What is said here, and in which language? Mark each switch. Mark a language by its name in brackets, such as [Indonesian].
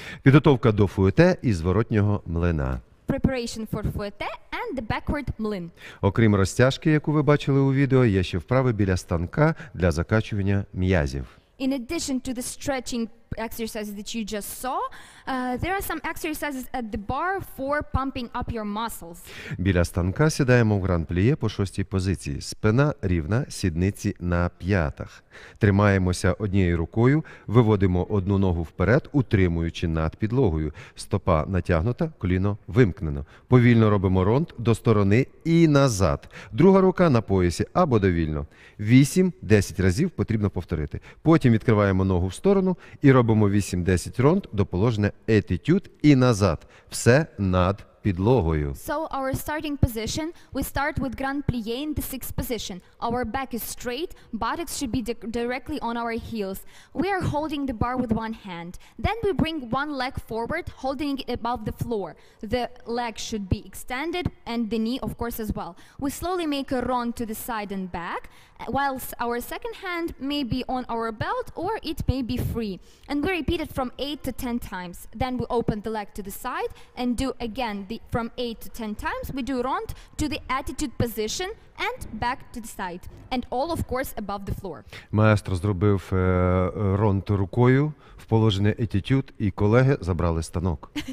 [Ukrainian] Підготовка до фуете і зворотнього млина. [English] Preparation for fuete and the backward млин. [Ukrainian] Окрім розтяжки, яку ви бачили у відео, є ще вправи біля станка для закачування м'язів. [English] In addition to the stretching exercises that you just saw, there are some exercises at the bar for pumping up your muscles. [Ukrainian] Біля станка сідаємо в гран-пліє по шостій позиції. Спина рівна, сідниці на п'ятах. Тримаємося однією рукою, виводимо одну ногу вперед, утримуючи над підлогою. Стопа натягнута, коліно вимкнено. Повільно робимо ронд до сторони і назад. Друга рука на поясі або довільно. 8-10 разів потрібно повторити. Потім відкриваємо ногу в сторону і робимо 8-10 ронд до положення етитюд і назад. Все над підлогою. [English] So our starting position, we start with grand plié in the sixth position. Our back is straight, buttocks should be directly on our heels. We are holding the bar with one hand. Then we bring one leg forward, holding it above the floor. The leg should be extended and the knee, of course, as well. We slowly make a round to the side and back, whilst our second hand may be on our belt or it may be free. And we repeat it from 8 to 10 times. Then we open the leg to the side and do again from 8 to 10 times. We do round to the attitude position and back to the side. And all, of course, above the floor. [Ukrainian] Маестро зробив ронд рукою в положенні етитюд, і колеги забрали станок.